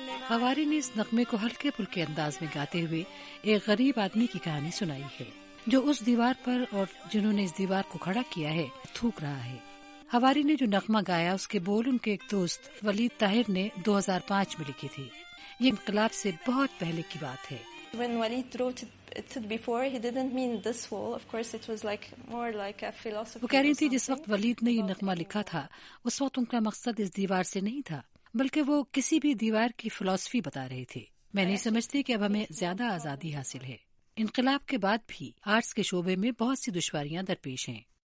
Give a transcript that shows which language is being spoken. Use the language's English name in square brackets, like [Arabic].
[Urdu] حواری نے اس نغمے کو ہلکے پھلکے انداز میں گاتے ہوئے ایک غریب آدمی کی کہانی سنائی ہے جو اس دیوار پر اور جنہوں نے اس دیوار کو کھڑا کیا ہے تھوک رہا ہے. حواری نے جو نغمہ گایا اس کے بول ان کے ایک دوست ولید طاہر نے 2005 میں لکھی تھی. یہ انقلاب سے بہت پہلے کی بات ہے. [English] When Walid wrote it before, he didn't mean this wall. Of course, it was like more like a philosophy. [Urdu] وہ کہہ رہی تھی جس وقت ولید نے یہ نغمہ لکھا تھا اس وقت ان کا مقصد اس دیوار سے نہیں تھا بلکہ وہ کسی بھی دیوار کی فلسفی بتا رہے تھے. میں نہیں سمجھتی کہ اب ہمیں زیادہ آزادی حاصل ہے. انقلاب کے بعد بھی آرٹس کے شعبے میں بہت سی دشواریاں درپیش ہیں.